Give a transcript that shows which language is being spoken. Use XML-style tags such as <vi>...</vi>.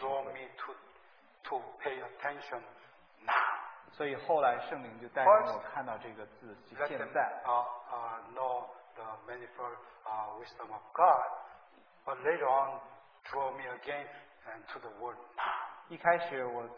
<en>the Spirit draw me to pay attention now.</en> <zh>所以后来圣灵就带领我看到这个字，现在.</zh> <en>Know the manifold wisdom of God, but later on, draw me again and to the word now.</en>